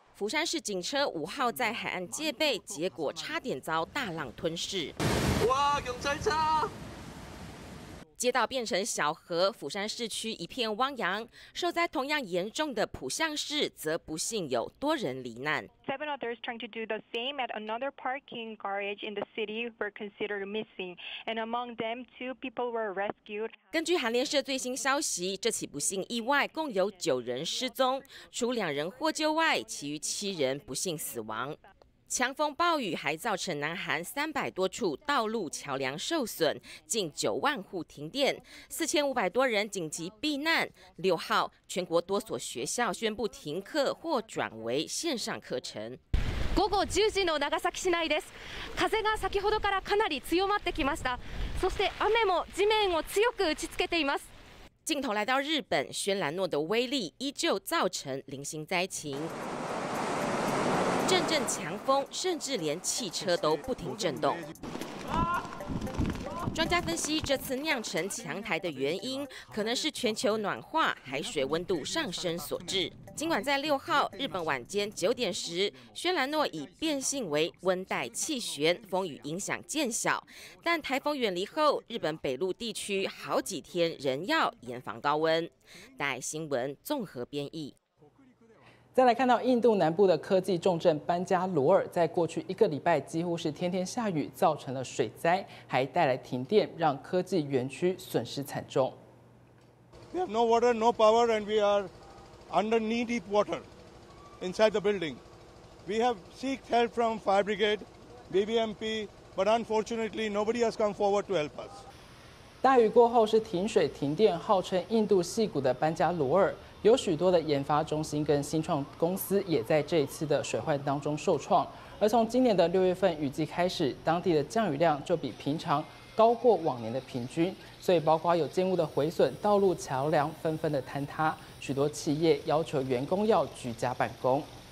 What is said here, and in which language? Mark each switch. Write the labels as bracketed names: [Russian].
[Chinese] 釜山市警车5号在海岸戒备，结果差点遭大浪吞噬。哇，用水车！街道变成小河，釜山市区一片汪洋。受灾同样严重的浦项市，则不幸有多人罹难。 [English] Seven others trying to do the same at another parking garage in the city were considered missing, and among them, 2 people were rescued. [Chinese] 根据韩联社最新消息，这起不幸意外共有9人失踪，除2人获救外，其余7人不幸死亡。强风暴雨还造成南韩300多处道路桥梁受损，近9万户停电，4500多人紧急避难。 6号，全国多所学校宣布停课或转为线上课程。 [Japanese] 午後10時の長崎市内です。風が先ほどからかなり強まってきました。そして雨も地面を強く打ちつけています。 [Chinese] 镜头来到日本，轩岚诺的威力依旧造成零星灾情。阵阵强风，甚至连汽车都不停震动。专家分析，这次酿成强台的原因，可能是全球暖化、海水温度上升所致。尽管在6号日本晚间9点时，轩岚诺已变性为温带气旋，风雨影响渐小，但台风远离后，日本北陆地区好几天仍要严防高温。带新闻综合编译。再来看到印度南部的科技重镇班加罗尔，在过去1个礼拜几乎是天天下雨，造成了水灾，还带来停电，让科技园区损失惨重。 [English] We have no water, no power, and we are under knee deep water inside the building. We have seeked help from Fire Brigade, BBMP, but unfortunately, nobody has come forward to help us. [Chinese] 大雨过后是停水停电，号称印度矽谷的班加罗尔，有许多的研发中心跟新创公司也在这一次的水患当中受创。而从今年的六月份雨季开始，当地的降雨量就比平常高过往年的平均，所以包括有建物的毁损、道路桥梁纷纷的坍塌，许多企业要求员工要居家办公。